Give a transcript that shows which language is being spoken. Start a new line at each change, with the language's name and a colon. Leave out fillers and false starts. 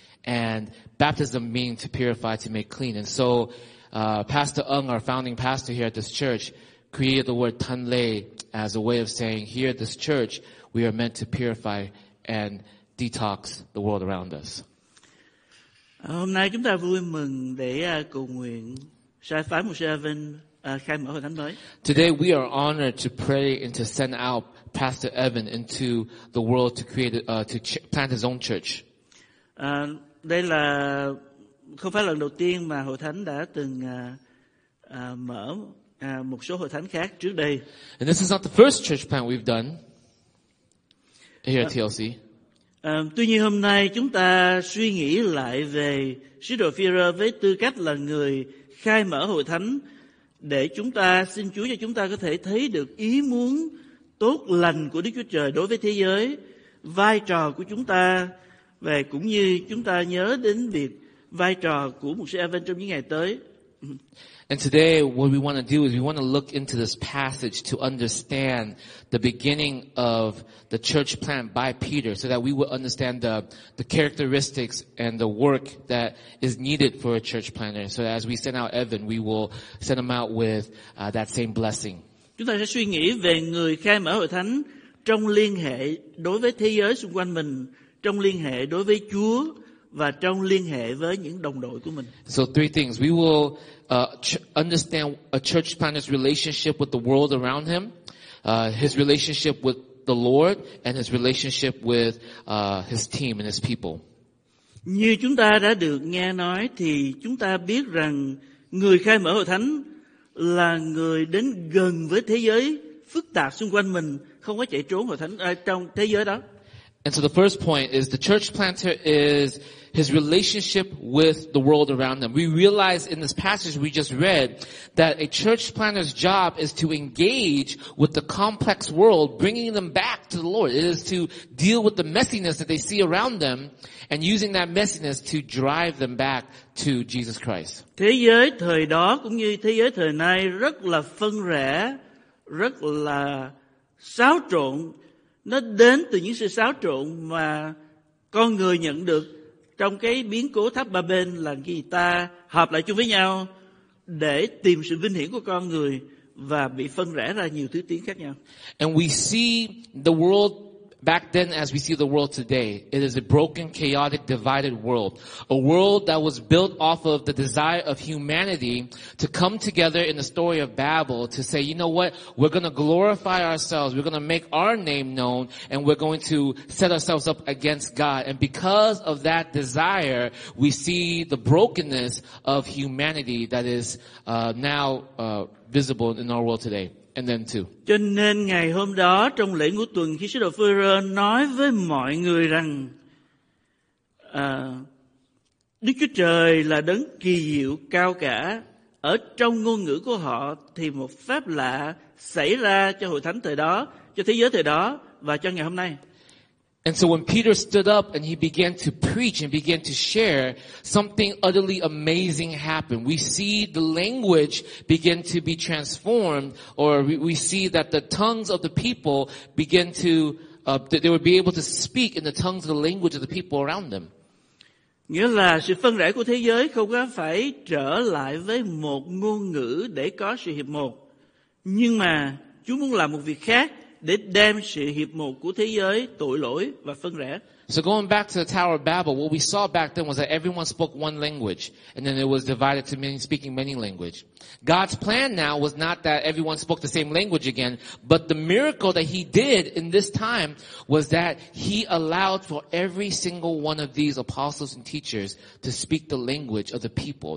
English: And baptism means to purify, to make clean. And so Pastor Ung, our founding pastor here at this church, created the word Tan Le as a way of saying, here at this church, we are meant to purify and detox the world around us.
Vietnamese: Hôm nay chúng ta vui mừng để cầu nguyện sai phái mục sư Evan khai mở hội thánh mới.
English: Today we are honored to pray and to send out Pastor Evan into the world to create to plant his own church.
Vietnamese: Đây là không phải lần đầu tiên mà hội thánh đã từng mở một số hội thánh khác trước đây.
English: And this is not the first church plant we've done here at TLC.
Vietnamese: Tuy nhiên hôm nay chúng ta suy nghĩ lại về sứ đồ Phi-rơ với tư cách là người khai mở hội thánh để chúng ta xin Chúa cho chúng ta có thể thấy được ý muốn tốt lành của Đức Chúa Trời đối với thế giới, vai trò của chúng ta và cũng như chúng ta nhớ đến việc vai trò của mục sư Evan trong những ngày tới.
English: And today what we want to do is we want to look into this passage to understand the beginning of the church plant by Peter so that we will understand the characteristics and the work that is needed for a church planter. So as we send out Evan, we will send him out with that same blessing.
Vietnamese: Chúng ta sẽ suy nghĩ về người khai mở hội thánh trong liên hệ đối với thế giới xung quanh mình, trong liên hệ đối với Chúa và trong liên hệ với những đồng đội của mình.
English: So three things. We will understand a church planter's relationship with the world around him, his relationship with the Lord, and his relationship with his team and his people.
Vietnamese: Như chúng ta đã được nghe nói thì chúng ta biết rằng người khai mở hội thánh là người đến gần với thế giới phức tạp xung quanh mình, không có chạy trốn hội thánh trong thế giới đó.
English: And so the first point is the church planter is his relationship with the world around them. We realize in this passage we just read that a church planter's job is to engage with the complex world, bringing them back to the Lord. It is to deal with the messiness that they see around them and using that messiness to drive them back to Jesus Christ.
Vietnamese: Thế giới thời đó cũng như thế giới thời nay rất là phân rẽ, rất là xáo trộn. Nó đến từ những sự xáo trộn mà con người nhận được trong cái biến cố tháp Ba Bên là khi ta hợp lại chung với nhau để tìm sự vinh hiển của con người và bị phân rẽ ra nhiều thứ tiếng khác nhau.
English: And we see the world back then as we see the world today. It is a broken, chaotic, divided world. A world that was built off of the desire of humanity to come together in the story of Babel to say, you know what, we're going to glorify ourselves, we're going to make our name known, and we're going to set ourselves up against God. And because of that desire, we see the brokenness of humanity that is now visible in our world today. And then too.
Vietnamese: Cho nên ngày hôm đó trong lễ ngũ tuần khi sứ đồ Phi-rơ nói với mọi người rằng Đức Chúa Trời là đấng kỳ diệu cao cả, ở trong ngôn ngữ của họ thì một phép lạ xảy ra cho hội thánh thời đó, cho thế giới thời đó và cho ngày hôm nay.
English: And so when Peter stood up and he began to preach and began to share, something utterly amazing happened. We see the language begin to be transformed, or we see that the tongues of the people begin to, that they would be able to speak in the tongues of the language of the people around them.
Vietnamese: Nghĩa là sự phân rẽ của thế giới không có phải trở lại với một ngôn ngữ để có sự hiệp một. Nhưng mà Chúa muốn làm một việc khác, để đem sự hiệp một của thế giới tội lỗi và phân rẽ.
English: So going back to the Tower of Babel, what we saw back then was that everyone spoke one language, and then it was divided to many speaking many languages. God's plan now was not that everyone spoke the same language again, but the miracle that he did in this time was that he allowed for every single one of these apostles and teachers to speak the language of the people.